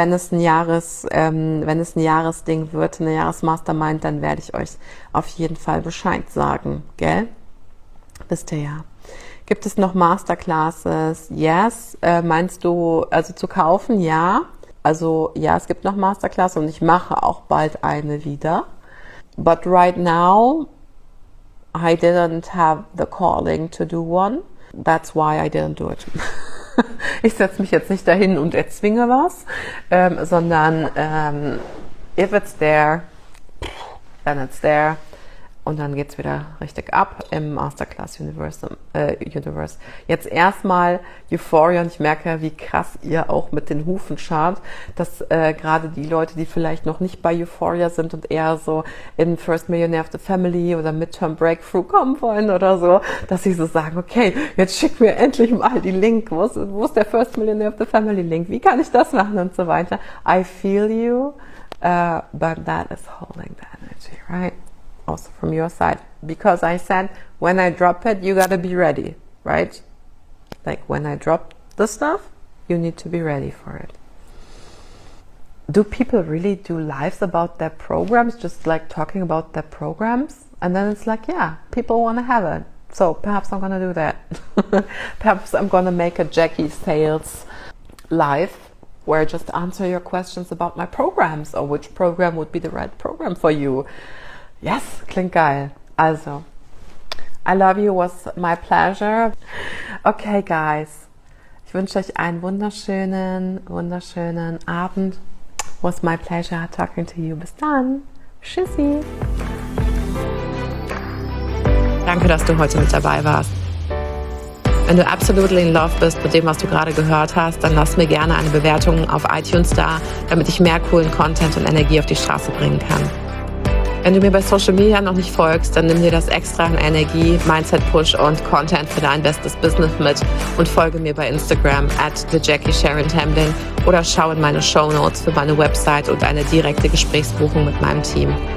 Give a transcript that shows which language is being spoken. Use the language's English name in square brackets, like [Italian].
[German] Wenn es ein Jahresding wird, eine Jahresmastermind, dann werde ich euch auf jeden Fall Bescheid sagen, gell? Wisst ihr ja. Gibt es noch Masterclasses? Yes. Meinst du, also zu kaufen? Ja. Also ja, es gibt noch Masterclasses und ich mache auch bald eine wieder. [English] But right now, I didn't have the calling to do one. That's why I didn't do it. [German] Ich setze mich jetzt nicht dahin und erzwinge was, sondern [English] if it's there, then it's there. [German] Und dann geht's wieder richtig ab im Masterclass Universe. Jetzt erstmal Euphoria, und ich merke, wie krass ihr auch mit den Hufen scharrt, dass gerade die Leute, die vielleicht noch nicht bei Euphoria sind und eher so in First Millionaire of the Family oder Midterm Breakthrough kommen wollen oder so, dass sie so sagen, okay, jetzt schick mir endlich mal die Link. Wo ist der First Millionaire of the Family Link? Wie kann ich das machen und so weiter? [English] I feel you, but that is holding the energy, right? Also from your side, because I said, when I drop it, you gotta be ready, right? Like when I drop the stuff, you need to be ready for it. Do people really do lives about their programs, just like talking about their programs? And then it's like, yeah, people wanna have it. So perhaps I'm gonna do that. Perhaps I'm gonna make a Jackie Sales live, where I just answer your questions about my programs or which program would be the right program for you. Yes, [German] klingt geil. [English] Also, I love you, was my pleasure. Okay, guys. [German] Ich wünsche euch einen wunderschönen, wunderschönen Abend. [English] It was my pleasure talking to you. [German] Bis dann. Tschüssi. Danke, dass du heute mit dabei warst. Wenn du absolut [English] in love [German] bist mit dem, was du gerade gehört hast, dann lass mir gerne eine Bewertung auf iTunes da, damit ich mehr coolen Content und Energie auf die Straße bringen kann. Wenn du mir bei Social Media noch nicht folgst, dann nimm dir das extra an Energie, Mindset-Push und Content für dein bestes Business mit und folge mir bei Instagram @thejackiesharontemplin oder schau in meine Shownotes für meine Website und eine direkte Gesprächsbuchung mit meinem Team.